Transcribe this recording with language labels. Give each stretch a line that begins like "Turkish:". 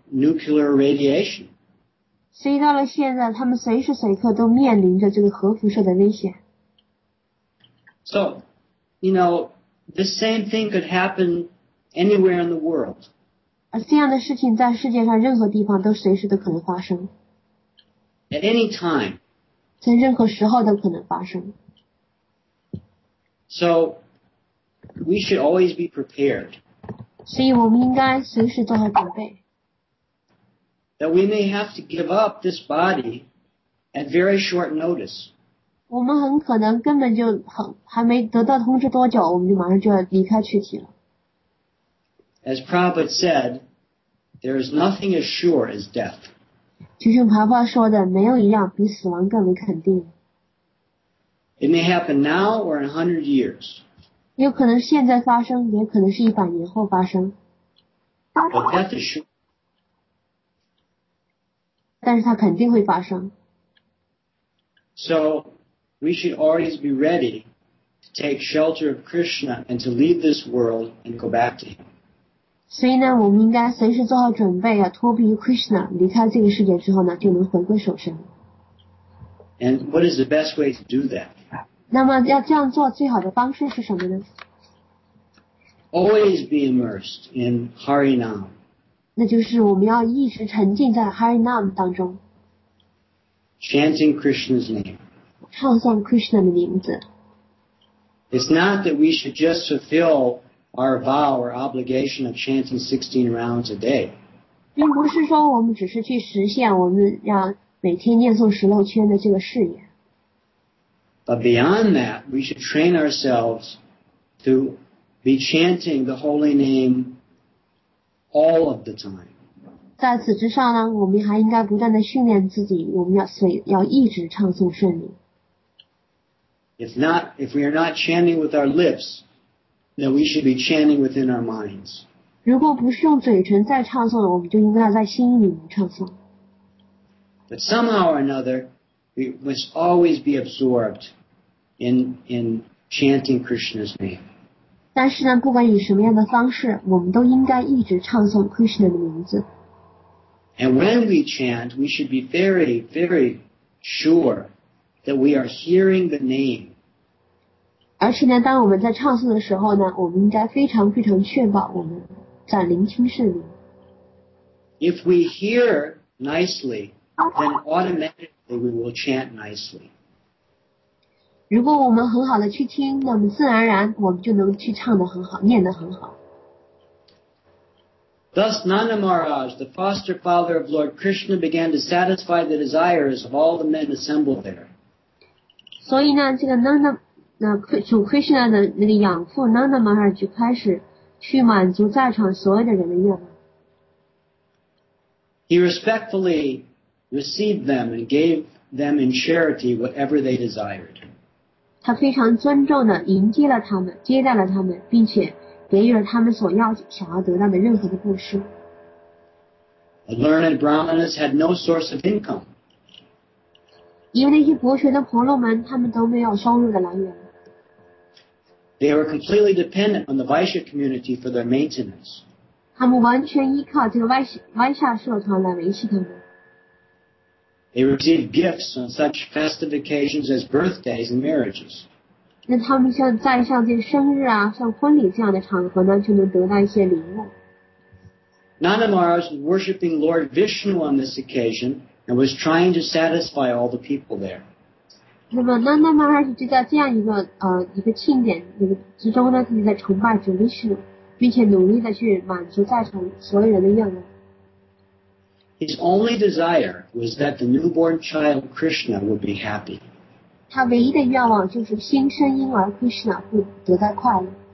English: Nuclear radiation.
Chinese: 所以到了现在，他们随时随刻都面临着这个核辐射的危险。
English: So, you know, the same thing could happen anywhere in the world.
Chinese: 而这样的事情在世界上任何地方都随时都可能发生。
English: At any time.
Chinese: 在任何时候都可能发生。
English: So, we should always be prepared.
Chinese: 所以我们应该随时做好准备。
English: That we may have to give up this body at very short notice.
Chinese: 我们很可能根本就还没得到通知多久，我们就马上就要离开躯体了。
English: As Prabhupada said, there is nothing as sure as death.
Chinese: 就像帕帕说的，没有一样比死亡更为肯定。
English: It may happen now or in 100 years.
Chinese: 有可能现在发生，也可能是一百年后发生。
English: But death is sure.
Chinese: 但是它肯定会发生。
English: So, we should always be ready to take shelter of Krishna and to leave this world and go back to him.
Chinese: 所以呢，我们应该随时做好准备啊，脱离 Krishna， 离开这个世界之后呢，就能回归首身。
English: And what is the best way to do that?
Chinese: 那么要这样做最好的方式是什么呢？
English: Always be immersed in Hari Nam.
Chinese: 那就是我们要一直沉浸在 Hari Nam 当中。
English: Chanting Krishna's name.
Chinese: 唱诵 Krishna 的名字。
English: It's not that we should just fulfill our vow or obligation of chanting 16 rounds a day.
Chinese: 并不是说我们只是去实现我们要每天念诵十六圈的这个誓言。
English: But beyond that, we should train ourselves to be chanting the holy name all of the time.
Chinese: 在此之上呢，我们还应该不断地训练自己，我们要一直唱诵圣名。
English: If we are not chanting with our lips, then we should be chanting within our minds.
Chinese: 如果不是用嘴唇再唱诵，我们就应该在心里面唱诵。
English: But somehow or another, we must always be absorbed in chanting Krishna's name.
Chinese: 但是呢，不管以什么样的方式，我们都应该一直唱诵 Krishna 的名字。
English: And when we chant, we should be very, very sure that we are hearing the name.
Chinese: 而且呢，当我们在唱诵的时候呢，我们应该非常非常确保我们在聆听圣名。
English: If we hear nicely, then automatically we will chant nicely.
Chinese: 如果我们很好的去听，那么自然而然我们就能去唱得很好，念得很好。
English: Thus, Nanda Maharaj, the foster father of Lord Krishna, began to satisfy the desires of all the men assembled there.
Chinese: 所以呢，这个 Nanda, 那主 Krishna 的那个养父 Nanda Maharaj 就开始去满足在场所有的人的愿望。
English: He respectfully received them and gave them in charity whatever they desired.
Chinese: 他非常尊重的迎接了他们，接待了他们，并且给予了他们所要想要得到的任何的布施。
English: The learned brahmanas had no source of income.
Chinese: 因为那些博学的婆罗门，他们都没有收入的来源。
English: They were completely dependent on the Vaishya community for their maintenance.
Chinese: 他们完全依靠这个Vaishya社团来维系他们。
English: They received gifts on such festive occasions as birthdays and marriages.
Chinese: 那他们像在像这生日啊，像婚礼这样的场合呢，就能得到一些礼物。
English: Nanda Maharaj was worshipping Lord Vishnu on this occasion and was trying to satisfy all the people there.
Chinese: 那么 Nanda Maharaj 就在这样一个一个庆典那个之中呢，就在崇拜主 Vishnu， 并且努力的去满足在场所有人的愿望。
English: His only desire was that the newborn child Krishna would be happy.
Chinese: 他唯一的愿望就是新生婴儿 Krishna 会得到快乐。